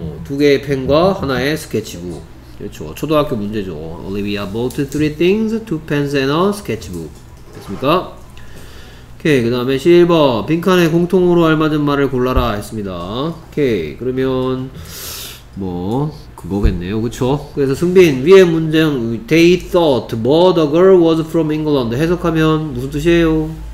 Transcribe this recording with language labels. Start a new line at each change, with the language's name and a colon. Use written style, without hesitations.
Korean: 두 개의 펜과 하나의 스케치북. 그렇죠. 초등학교 문제죠.
English: Olivia bought three things, two pens and a sketchbook.
Korean: 됐습니까? 오케이. 그 다음에 11번 빈칸에 공통으로 알맞은 말을 골라라 했습니다. 오케이. 그러면 뭐 그거겠네요. 그쵸? 그래서 승빈, 위에 문장
English: they thought but a girl was from England
Korean: 해석하면 무슨 뜻이에요?